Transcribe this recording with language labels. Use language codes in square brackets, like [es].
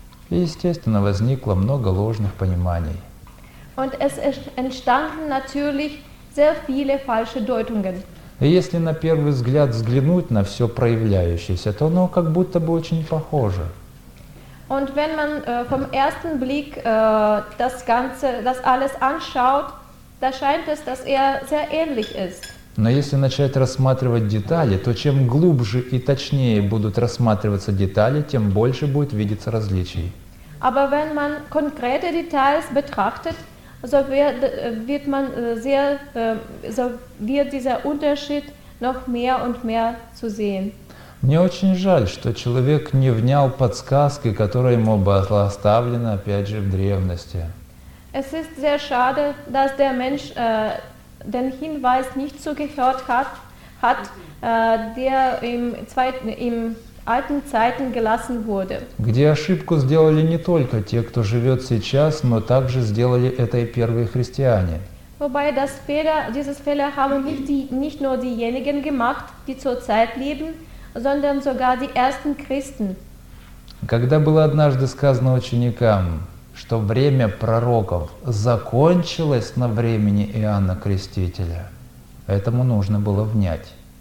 [ru] Естественно, возникло много ложных пониманий. [de] Und es entstanden natürlich sehr viele falsche Deutungen. [ru] И если на первый взгляд взглянуть на все проявляющееся, то оно как будто бы очень похоже. [de] Und wenn man vom ersten Blick das Ganze, das alles anschaut, da scheint es, dass sehr ähnlich ist. [ru] Но если начать рассматривать детали, то чем глубже и точнее будут рассматриваться детали, тем больше будет видеться различий. [de] Aber wenn man konkrete Details betrachtet, so wird man sehr, so wird dieser Unterschied noch mehr und mehr zu sehen. [ru] Мне очень жаль, что человек не внял подсказки, которая ему была оставлена, опять же, в древности. [de] Es ist sehr schade, dass der Mensch den Hinweis nicht zugehört hat, der im alten Zeiten gelassen wurde. [ru] Где ошибку сделали не только те, кто живет сейчас, но также сделали это и первые христиане. [de] Wobei das Fehler haben nicht nur diejenigen gemacht, die zur Zeit leben, sondern sogar die ersten Christen. [ru] Когда было однажды сказано ученикам, что время пророков закончилось на времени Иоанна Крестителя, этому нужно было внять.